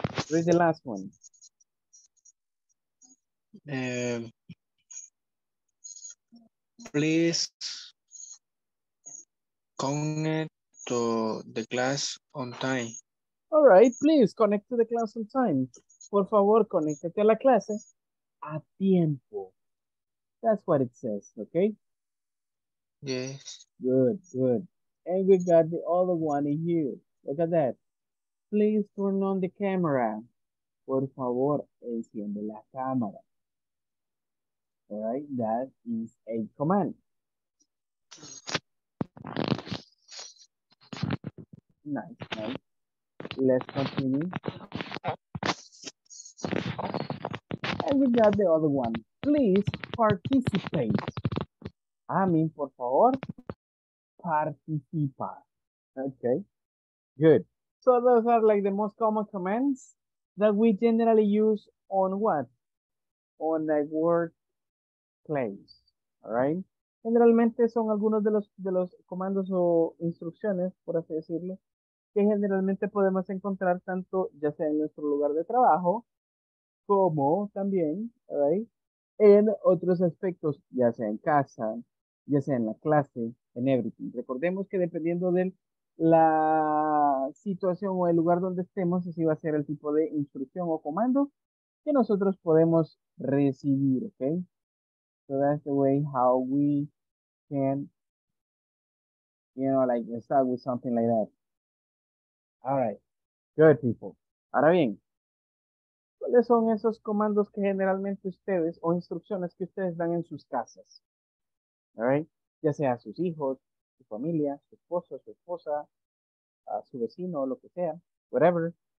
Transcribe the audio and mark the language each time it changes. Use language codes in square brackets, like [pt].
[en] Read the last one. Please connect to the class on time. All right, please connect to the class on time. [es] Por favor, conéctate a la clase a tiempo. [en] That's what it says, okay? Yes. Good, good. And we got the other one in here. Look at that. Please turn on the camera. [es] Por favor, enciende la cámara. [en] All right, that is a command. Nice, nice. Let's continue. And we got the other one. Please participate. [es] Por favor, participa. [en] Okay, good. So those are like the most common commands that we generally use on what? On a word. Place, all right? [es] Generalmente son algunos de los comandos o instrucciones, por así decirlo, que generalmente podemos encontrar tanto ya sea en nuestro lugar de trabajo como también, all right, en otros aspectos, ya sea en casa, ya sea en la clase, en everything. Recordemos que dependiendo de la situación o el lugar donde estemos, así va a ser el tipo de instrucción o comando que nosotros podemos recibir, ¿ok? [en] So that's the way how we can, you know, like start with something like that. All right. Good, people. [es] Ahora bien, ¿cuáles son esos comandos que generalmente ustedes o instrucciones que ustedes dan en sus casas? All right. Ya sea a sus hijos, su familia, su esposo, su esposa, a su vecino, lo que sea, whatever.